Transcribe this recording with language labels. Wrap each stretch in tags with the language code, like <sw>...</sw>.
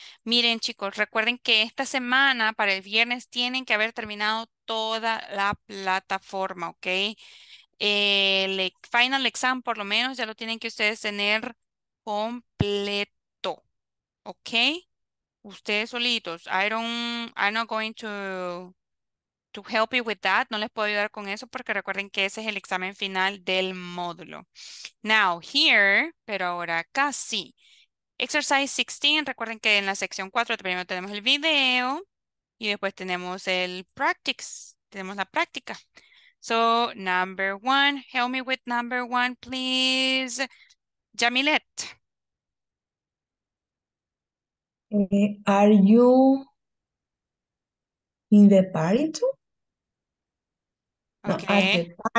<es>Miren, chicos, recuerden que esta semana para el viernes tienen que haber terminado toda la plataforma, ¿ok? El final exam, por lo menos, ya lo tienen que ustedes tener completo, ¿ok? Ustedes solitos.</es> <en>I'm not going to help you with that.</en> <es>No les puedo ayudar con eso porque recuerden que ese es el examen final del módulo.</es> <en>Now, here,</en> <es>pero ahora acá sí. Exercise 16, recuerden que en la sección 4 primero tenemos el video y después tenemos el practice, tenemos la práctica.</es> <en>So, number one, help me with number one, please. Yamilet. Are you in the party too? Okay.</en>